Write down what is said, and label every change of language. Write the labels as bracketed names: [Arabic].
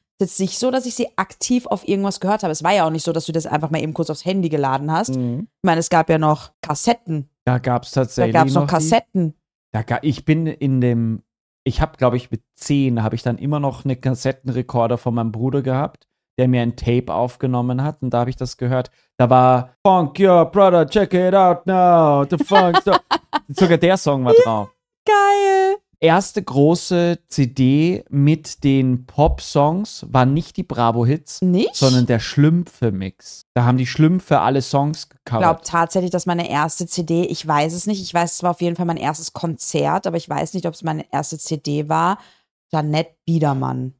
[German] Es ist nicht so, dass ich sie aktiv auf irgendwas gehört habe. Es war ja auch nicht so, dass du das einfach mal eben kurz aufs Handy geladen hast. Mhm. Ich meine, es gab ja noch Kassetten. Da gab es tatsächlich noch. Da gab es noch Kassetten. Mit 10 habe ich dann immer noch einen Kassettenrekorder von meinem Bruder gehabt, der mir ein Tape aufgenommen hat. Und da habe ich das gehört. Da war [English] Funk your brother, check it out now. The funk. [German] Sogar der Song war drauf. Geil. Erste große CD mit den Pop-Songs war nicht die Bravo-Hits, sondern der Schlümpfe-Mix. Da haben die Schlümpfe alle Songs gecovert. Ich glaube tatsächlich, dass meine erste CD, ich weiß es nicht, ich weiß, es war auf jeden Fall mein erstes Konzert, aber ich weiß nicht, ob es meine erste CD war, Jeanette Biedermann.